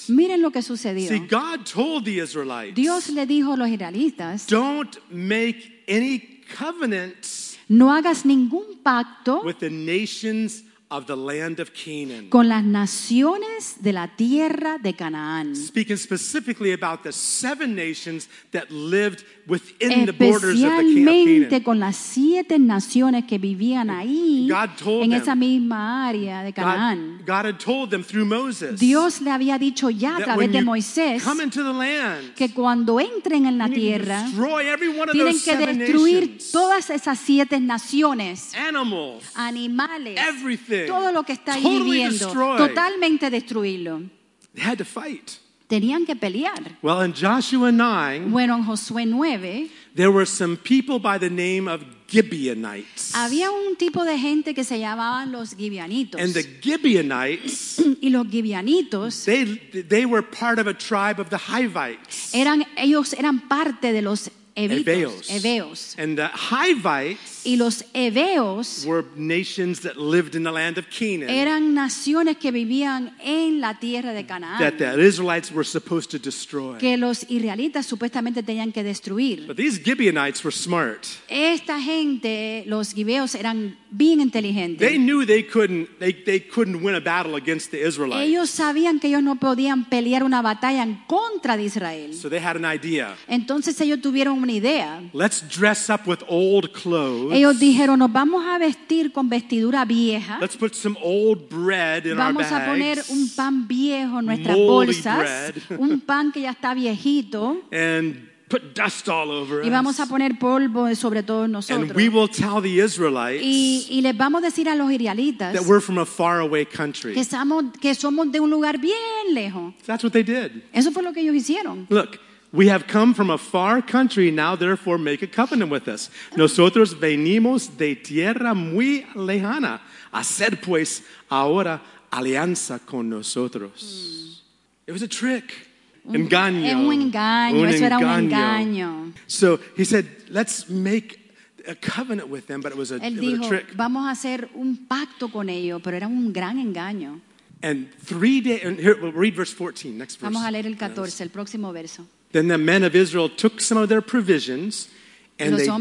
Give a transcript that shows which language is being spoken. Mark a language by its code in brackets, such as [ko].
[es] Miren lo que sucedió. [en] See, God told the Israelites, [es] Dios le dijo a los israelitas, [en] don't make any covenants, [es] no hagas ningún pacto [en] with the nations of the land of Canaan. [es] Con las naciones de la tierra de Canaán. [en] Speaking specifically about the seven nations that lived within the borders of the camp of Canaan. [es] Con las siete naciones que vivían ahí, [en] God told [es] en [en] them, [es] esa misma área de Canaán. [en] God had told them through Moses. [es] Dios le había dicho ya a través de Moisés [en] come into the land, [es] que cuando entren en la tierra [en] destroy every one of those [es] tienen que destruir [en] seven nations. [es] Todas esas siete naciones. [en] Animals, [es] animales. [en] Everything. [es] Todo lo que está [en] totally [es] viviendo, [en] destroy. [es] Totalmente destruirlo. [en] They had to fight. [es] Tenían que pelear. [en] Well, in Joshua 9, [es] bueno, en Josué 9, [en] there were some people by the name of Gibeonites. [es] Había un tipo de gente que se llamaban los Gibeonitos. [en] And the Gibeonites, [es] y los Gibeonitos, [en] they were part of a tribe of the Hivites. [es] Ellos eran parte de los Eveos. [en] And the Hivites, [es] y los Eveos, [en] were nations that lived in the land of Canaan. [es] Eran naciones que vivían en la tierra de Canaán. [en] That the Israelites were supposed to destroy. [es] Que los israelitas supuestamente tenían que destruir. [en] But these Gibeonites were smart. [es] Esta gente, los Gibeos, eran bien inteligentes. [en] They knew they couldn't win a battle against the Israelites. [es] Ellos sabían que ellos no podían pelear una batalla en contra de Israel. [en] So they had an idea. [es] Entonces ellos tuvieron una idea. [en] Let's dress up with old clothes. [es] Ellos dijeron, nos vamos a vestir con vestidura vieja. [en] Let's put some old bread in [es] vamos [en] our bags. [es] A poner un pan viejo en nuestras [en] moldy [es] bolsas. [en] Bread. [es] Un pan que ya está viejito. [en] And put dust all over [es] y vamos [en] us. [es] A poner polvo sobre todos nosotros. [en] And we will tell the Israelites [es] y les vamos a decir a los israelitas [en] that we're from a faraway country. [es] Que somos de un lugar bien lejos. [en] So that's what they did. [es] Eso fue lo que ellos hicieron. [en] Look. We have come from a far country, now therefore make a covenant with us. [es] Nosotros venimos de tierra muy lejana. Haced pues ahora alianza con nosotros. [en] It was a trick. [es] Engaño. Un engaño. Eso era un engaño. [en] So he said, let's make a covenant with them, but it was a trick. [es] Vamos a hacer un pacto con ellos, pero era un gran engaño. [en] And 3 days, and here, we'll read verse 14, next verse. [es] Vamos a leer el 14, el próximo verso. [en] Then the men of Israel took some of their provisions and